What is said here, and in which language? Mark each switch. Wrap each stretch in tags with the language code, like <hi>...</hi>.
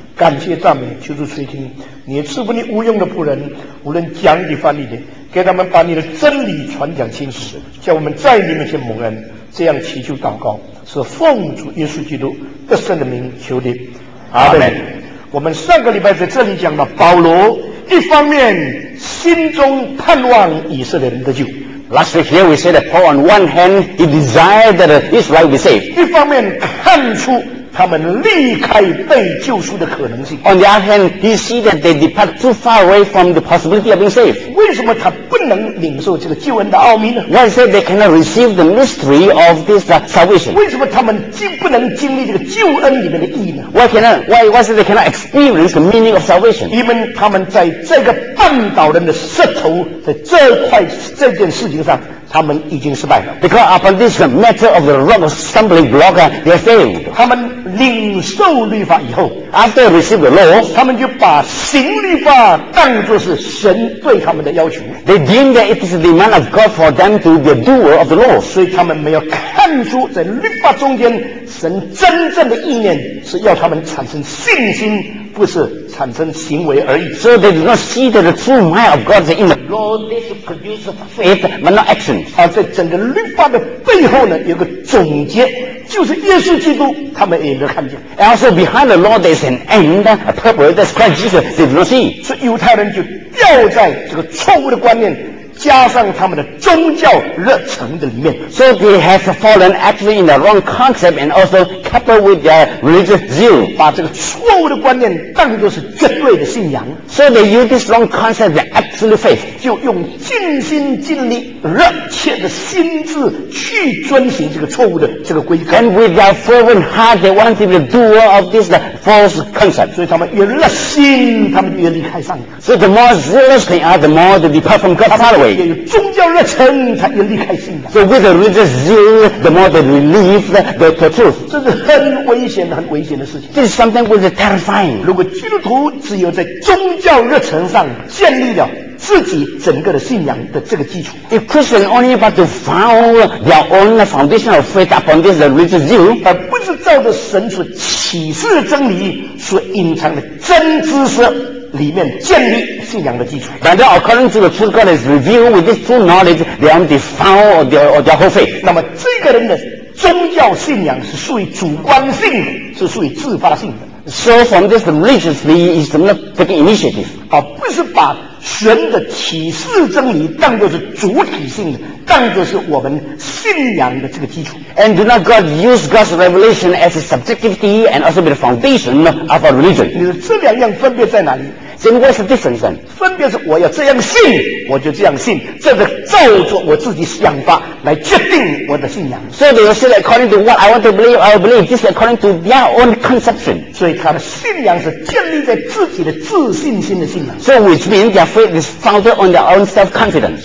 <zh>感谢赞美，求主垂听你赐福你无用的仆人，无论讲理翻译的，给他们把你的真理传讲清楚，叫我们在你面前蒙恩。这样祈求祷告是奉主耶稣基督得胜的名求的，阿们。我们上个礼拜在这里讲了保罗一方面心中盼望以色列人的救。</zh> <en>Last week here we said that Paul on one hand he desired that Israel be saved.</en> <zh>一方面看出他们离开被救赎的可能性。</zh> <en>On the other hand, he see that they depart too far away from the possibility of being saved.</en> <zh>为什么他不能领受这个救恩的奥秘呢？</zh> <en>Why say they cannot receive the mystery of this salvation?</en> <zh>为什么他们不能经历这个救恩里面的意义呢？</zh> <en>Why say they cannot experience the meaning of salvation?</en> <zh>因为他们在这个绊倒人的石头的这块这件事情上，他们已经失败了。</zh> <en>Because upon this matter of the rock of stumbling block, they failed.</en> <zh>他们领受律法以后</zh> <en>，after receive the law，</en> <zh>他们就把行律法当作是神对他们的要求。</zh> <en>They deem that it is the demand of God for them to be a doer of the law.</en> <zh>所以他们没有看出在律法中间神真正的意念是要他们产生信心，不是产生行为而已。</zh> <en>So they do not see that the true mind of God is in the law. They should produce faith, but not action.</en> <zh>而在整个律法的背后呢，有个总结，就是耶稣基督，他们也没有看见。</zh> <en>And also behind the law, there is an end, a purpose. That's Christ Jesus. They do not see.</en> <zh>所以犹太人就掉在这个错误的观念，加上他们的宗教热忱的里面。</zh> <en>So they have fallen actually in the wrong concept and also coupled with their religious zeal.</en> <zh>把这个错误的观念当作是绝对的信仰。</zh> <en>So they use this wrong concept, the absolute faith.</en> <zh>就用尽心尽力热切的心智去遵循这个错误的这个规则。</zh> <en>And with their fervent heart, they want to be the doer of this false concept.</en> <zh>所以他们越热心，他们越离开上帝。</zh> <en>So the more zealous they are, the more they depart from God.</en> <zh>宗教热忱才越离开信仰。</zh> <en>So with the religious zeal, the more they believe the truth.</en> <zh>这是很危险的，很危险的事情。</zh> <en>This is something which is terrifying.</en> <zh>如果基督徒只有在宗教热忱上建立了自己整个的信仰的这个基础。</zh> <en>If Christians only about to found their own foundation of faith upon this religious zeal,</en> <zh>而不是照着神所启示的真理所隐藏的真知识。里面建立信仰的基础。</zh> <en>But then according to the true God is revealed with this true knowledge, they are the found of their whole faith.</en> <zh>那么这个人的宗教信仰是属于主观性的，是属于自发性的。</zh> <en>So from this religiously is not taking initiative.</en> <zh>啊，不是把神的启示真理当作是主体性的，当作是我们信仰的这个基础。</zh> <en>And do not God use God's revelation as a subjectivity and also be the foundation of our religion.</en> <zh>你说这两样分别在哪里？</zh> <en>Then what's the difference then?</en> <zh>分别是我要这样信，我就这样信，这个照着我自己想法来决定我的信仰。</zh> <en>So they say according to what I want to believe, I believe. This is according to their own conception.</en> <zh>所以他的信仰是建立在自己的自信心的信仰。</zh> <en>So which means their faith is founded on their own self-confidence.</en>